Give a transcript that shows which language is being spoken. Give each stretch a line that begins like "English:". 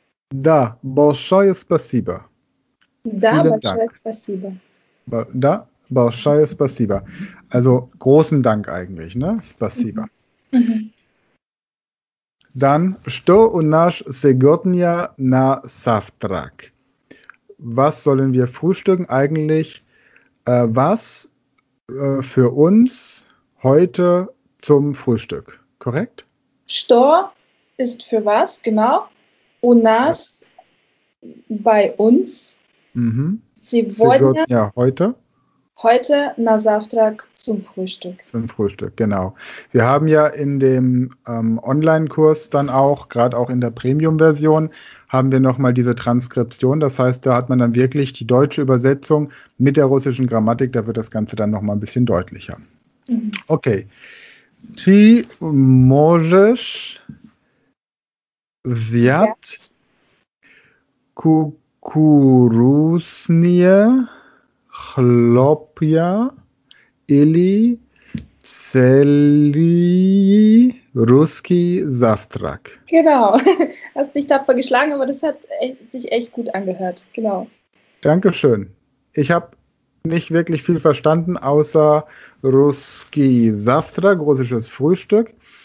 Russian: Da, большое спасибо. Da, большое спасибо. Da, большое спасибо.
German: Also, großen Dank eigentlich, ne?
Russian: Спасибо. Dann, что у нас сегодня на завтрак?
German: Was sollen wir frühstücken eigentlich? Für uns... Heute zum Frühstück, korrekt?
Russian: Что
German: ist für was, genau.
Russian: У нас,
German: bei uns.
Russian: Сегодня,
German: heute. Heute,
Russian: на завтрак,
German: zum Frühstück. Zum Frühstück, genau. Wir haben ja in dem Online-Kurs dann auch, gerade auch in der Premium-Version, haben wir nochmal diese Transkription. Das heißt, da hat man dann wirklich die deutsche Übersetzung mit der russischen Grammatik. Da wird das Ganze dann nochmal ein bisschen deutlicher. Okay.
Russian: Ты можешь взять кукурузные хлопья или целый русский завтрак?
German: Genau. Hast dich tapfer geschlagen, aber das hat sich echt gut angehört. Genau. Dankeschön. Ich habe nicht wirklich viel verstanden, außer Ruski Zavtrak, russisches Frühstück.